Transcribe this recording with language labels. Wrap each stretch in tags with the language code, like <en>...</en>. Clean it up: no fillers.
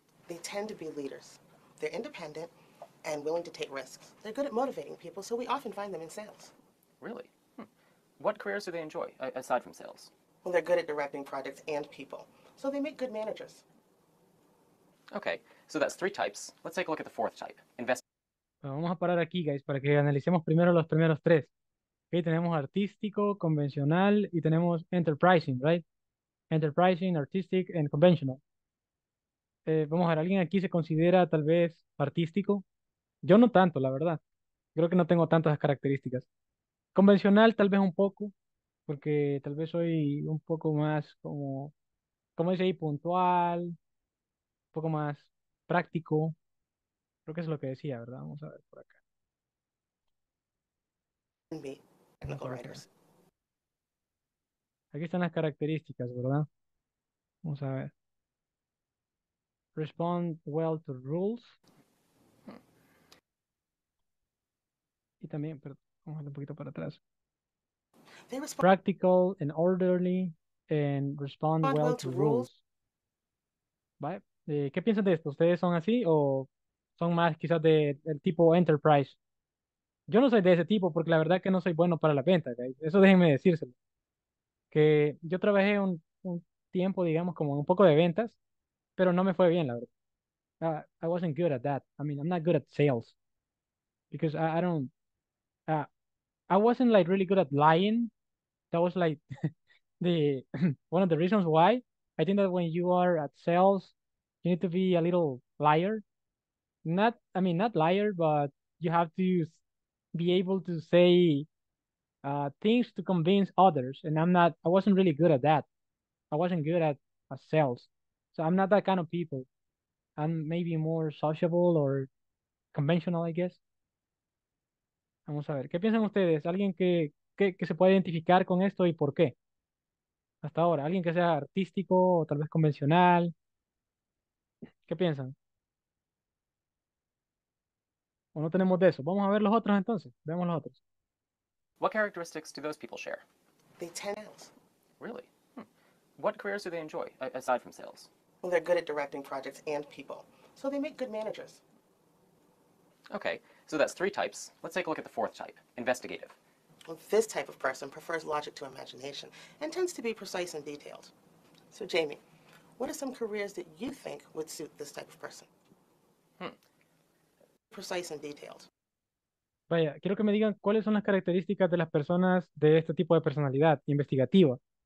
<en>They tend to be leaders. They're independent and willing to take risks. They're good at motivating people, so we often find them in sales. Really? What careers do they enjoy, aside from sales? Well, they're good at directing projects and people, so they make good managers. Okay, so that's three types. Let's take a look at the fourth type.</en> <es>Vamos a parar aquí, guys, para que analicemos primero los primeros tres. Okay, tenemos artístico, convencional, y tenemos enterprising, right?</es> <en>Enterprising, artistic, and conventional.</en> <es>Vamos a ver, ¿alguien aquí se considera tal vez artístico? Yo no tanto, la verdad. Creo que no tengo tantas características. Convencional, tal vez un poco, porque tal vez soy un poco más como, ¿cómo dice ahí? Puntual, un poco más práctico. Creo que es lo que decía, ¿verdad? Vamos a ver por acá.</es> <en>Technical writers.</en> <es>Aquí están las características, ¿verdad? Vamos a ver.</es> <en>Respond well to rules.</en> <es>Y también, perdón, vamos a ir un poquito para atrás.</es> <en>Practical and orderly and respond well to rules.</en> <es>¿Vale? ¿Qué piensan de esto? ¿Ustedes son así o son más quizás del tipo enterprise? Yo no soy de ese tipo porque la verdad es que no soy bueno para la venta, ¿okay? Eso déjenme decírselo. Que yo trabajé un tiempo, digamos, como un poco de ventas, pero no me fue bien, la verdad.</es> <en>I wasn't good at that. I mean, I'm not good at sales. Because I don't... I wasn't, like, really good at lying. That was, like, the one of the reasons why. I think that when you are at sales, you need to be a little liar. Not, I mean, not liar, but you have to be able to say things to convince others. And I wasn't really good at that. I wasn't good at sales. So I'm not that kind of people. I'm maybe more sociable or conventional, I guess.</en> <es>Vamos a ver, ¿qué piensan ustedes? ¿Alguien que se pueda identificar con esto y por qué? Hasta ahora, alguien que sea artístico o tal vez convencional. ¿Qué piensan? ¿O no tenemos de eso? Vamos a ver los otros entonces. Veamos los otros.</es> <en>What characteristics do those people share? They tend to... Really? What careers do they enjoy, aside from sales? Well, they're good at directing projects and people, so they make good managers. Okay, so that's three types. Let's take a look at the fourth type, investigative. Well, this type of person prefers logic to imagination and tends to be precise and detailed. So, Jamie, what are some careers that you think would suit this type of person? Precise and detailed.</en> <es>Vaya, quiero que me digan cuáles son las características de las personas de este tipo de personalidad investigativa.</es>